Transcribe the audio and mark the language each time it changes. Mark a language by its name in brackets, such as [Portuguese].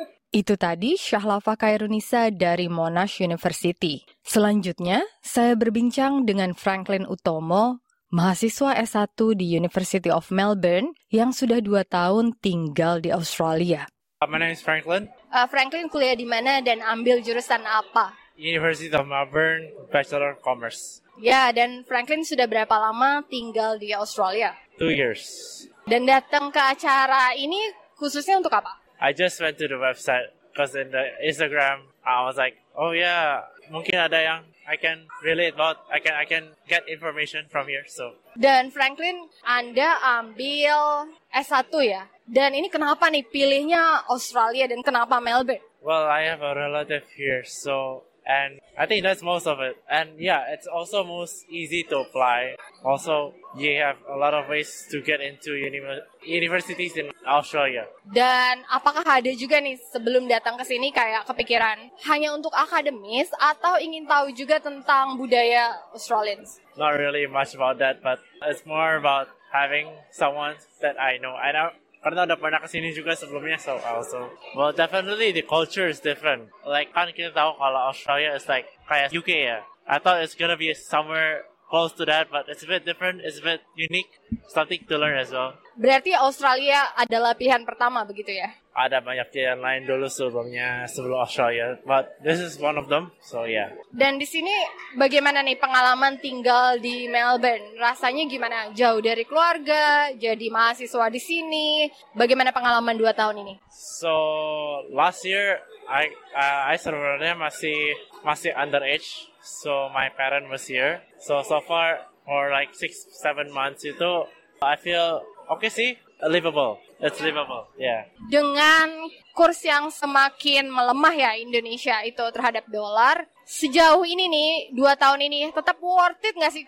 [Indonesian] Itu tadi Syahlava Khairunnisa dari Monash University. Selanjutnya, saya berbincang dengan Franklin Utomo, mahasiswa S1 di University of Melbourne yang sudah 2 tahun tinggal di Australia. [English] My name is Franklin. [Indonesian] Franklin, kuliah di mana dan ambil jurusan apa? [English] University of Melbourne, Bachelor of Commerce. [Indonesian] Ya, dan Franklin sudah berapa lama tinggal di Australia? [English] 2 years. [Indonesian] Dan datang ke acara ini khususnya untuk apa? [English] I just went to the website because in the Instagram I was like, oh yeah, [Indonesian] mungkin ada yang [English] I can relate about, I can get information from here. So. [Indonesian] Dan Franklin, Anda ambil S1 ya? Dan ini kenapa nih pilihnya Australia dan kenapa Melbourne? [English] Well, I have a relative here, so. And I think that's most of it. And yeah, it's also most easy to apply. Also, you have a lot of ways to get into universities in Australia. [Indonesian] Dan apakah ada juga nih sebelum datang ke sini kayak kepikiran hanya untuk akademis atau ingin tahu juga tentang budaya Australians? [English] Not really much about that, but it's more about having someone that I know. I know. [Indonesian] Karena udah pernah kesini juga sebelumnya, [English] so also. Well, definitely the culture is different. Like, [Indonesian] kan kita tahu kalau [English] Australia is like kayak UK ya. I thought it's gonna be somewhere close to that, but it's a bit different, it's a bit unique. Something to learn as well. [Indonesian] Berarti Australia adalah pilihan pertama begitu ya? Ada banyak pilihan lain dulu sebelumnya, sebelum Australia. [English] But this is one of them, so yeah. [Indonesian] Dan di sini bagaimana nih pengalaman tinggal di Melbourne? Rasanya gimana? Jauh dari keluarga, jadi mahasiswa di sini. Bagaimana pengalaman 2 tahun ini? [English] So, last year, I [Indonesian] sebenarnya masih [English] underage. So, my parent was here. So far, for like 6-7 months itu, I feel okay sih. Livable, it's livable, yeah. [Indonesian] Dengan kurs yang semakin melemah ya Indonesia itu terhadap dolar, sejauh ini nih, 2 tahun ini, tetap [English] worth it [Indonesian] nggak sih?